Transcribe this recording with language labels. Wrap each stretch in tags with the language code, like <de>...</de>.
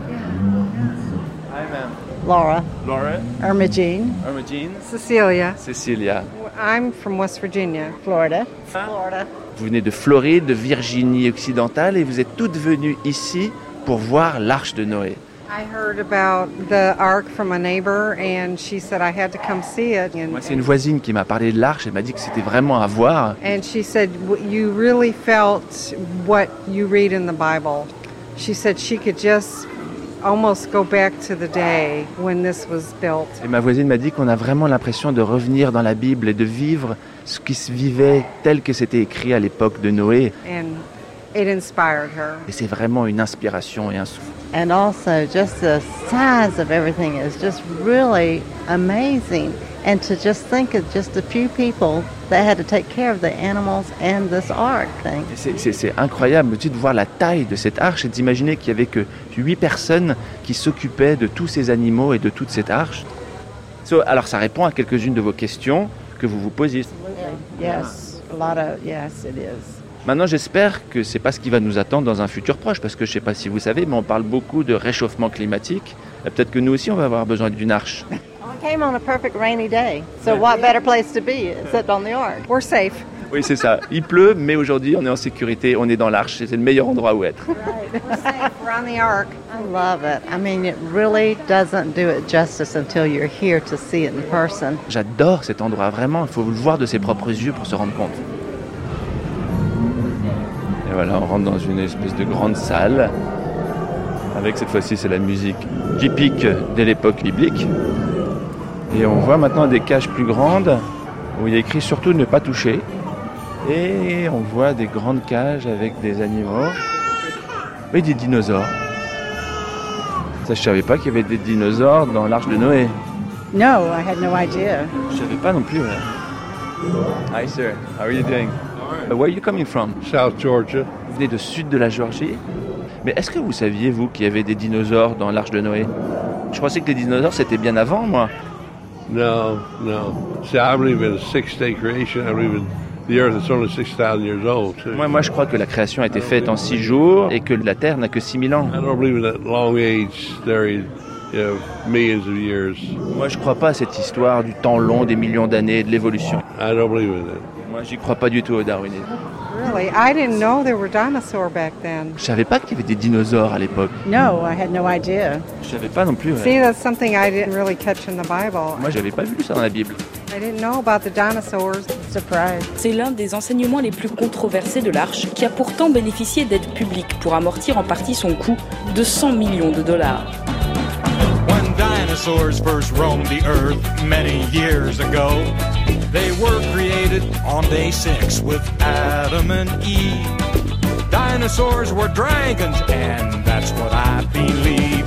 <en>Yeah. Hi, ma'am. Laura. Laura. Irma Jean. Irma Jean. Cecilia. Cecilia. I'm from West Virginia. Florida. Florida.</en> <fr>Vous venez de Floride, de Virginie-Occidentale, et vous êtes toutes venues ici pour voir l'Arche de Noé.</fr> <en>I heard about the Ark from a neighbor and she said I had to come see it.</en> <fr>Moi, c'est une voisine qui m'a parlé de l'Arche, elle m'a dit que c'était vraiment à voir.</fr> <en>And she said you really felt what you read in the Bible. She said she could just almost go back to the day when this was built.</en> <fr>Et ma voisine m'a dit qu'on a vraiment l'impression de revenir dans la Bible et de vivre ce qui se vivait tel que c'était écrit à l'époque de Noé.</fr> <en>And it inspired her.</en> <fr>Et c'est vraiment une inspiration et un souffle.</fr> <en>And also just the size of everything is just really amazing. And to just think of just a few people that had to take care of the animals and this ark thing.</en> <fr>C'est incroyable tu sais, de voir la taille de cette arche et d'imaginer qu'il n'y avait que 8 personnes qui s'occupaient de tous ces animaux et de toute cette arche. So, alors ça répond à quelques-unes de vos questions que vous vous posiez.</fr> <en>Yes, a lot of, yes, it is.</en> <fr>Maintenant, j'espère que ce n'est pas ce qui va nous attendre dans un futur proche, parce que je ne sais pas si vous savez, mais on parle beaucoup de réchauffement climatique. Et peut-être que nous aussi, on va avoir besoin d'une arche.</fr> <en>On came on a perfect rainy day, so what better place to be except on the ark? We're safe.</en> <fr>Oui, c'est ça. Il pleut, mais aujourd'hui, on est en sécurité, on est dans l'arche, c'est le meilleur endroit où être.</fr> <en>Right. We're safe. We're on the ark. I love it. I mean, it really doesn't do it justice until you're here to see it in person.</en> <fr>J'adore cet endroit, vraiment. Il faut le voir de ses propres yeux pour se rendre compte. Et voilà, on rentre dans une espèce de grande salle, avec cette fois-ci, c'est la musique typique de l'époque biblique. Et on voit maintenant des cages plus grandes, où il y a écrit surtout ne pas toucher. Et on voit des grandes cages avec des animaux, et des dinosaures. Ça, je ne savais pas qu'il y avait des dinosaures dans l'Arche de Noé.</fr> <en>No, I had no idea.</en> <fr>Je ne savais pas non plus. Ouais.</fr> <en>Hi sir, how are you doing? Where are you coming from? South Georgia.</en> <fr>Vous venez de sud de la Géorgie. Mais est-ce que vous saviez, vous, qu'il y avait des dinosaures dans l'Arche de Noé? Je pensais que les dinosaures, c'était bien avant, moi. Non, non.</fr> <en>See, I believe in a six-day creation. I believe in the earth is only 6,000 years old.</en> <fr>Moi, je crois que la création a été faite en 6 jours et que la Terre n'a que 6,000 ans.</fr> <en>I don't believe in that long age theory. Millions of years.</en> <fr>Moi, je ne crois pas à cette histoire du temps long, des millions d'années, de l'évolution.</fr> <en>I don't believe in it.</en> <fr>Moi, j'y crois pas du tout au darwinisme.</fr> <en>Really? I didn't know there were dinosaurs back then.</en> <fr>Je savais pas qu'il y avait des dinosaures à l'époque.</fr> <en>No, I had no idea.</en> <fr>Je savais pas non plus. Ouais.</fr> <en>See, that's something I didn't really catch in the Bible.</en> <fr>Moi, j'avais pas vu ça dans la Bible.</fr> <en>I didn't know about the dinosaurs. Surprise.</en> <fr>C'est l'un des enseignements les plus controversés de l'Arche, qui a pourtant bénéficié d'aides publiques pour amortir en partie son coût de 100 millions de dollars.</fr> <en>Dinosaurs first roamed the earth many years ago. They were created on day 6 with Adam and Eve. Dinosaurs were dragons, and that's what I believe.</en>